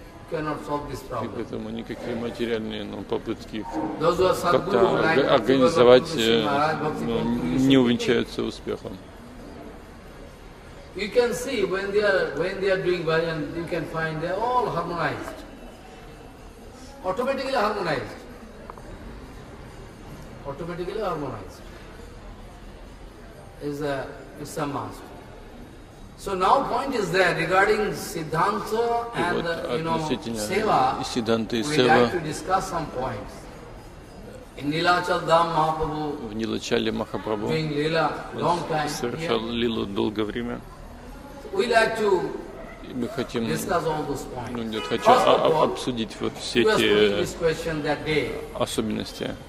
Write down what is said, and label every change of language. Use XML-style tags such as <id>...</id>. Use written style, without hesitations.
<ru>И поэтому никакие материальные, ну, попытки как-то организовать, ну, не увенчаются успехом.</ru> <en>You can see, when they are doing bhajan, you can find they're all harmonized. Automatically harmonized. Automatically harmonized is a must. So now point is there regarding Siddhanta and</en> <ru>вот,</ru> <en>you know Seva. We like to discuss some points.</en> <ru>В Нилачале Махапрабху совершал лилу долгое время. Мы хотим, ну, нет, хочу обсудить вот все эти особенности.</ru>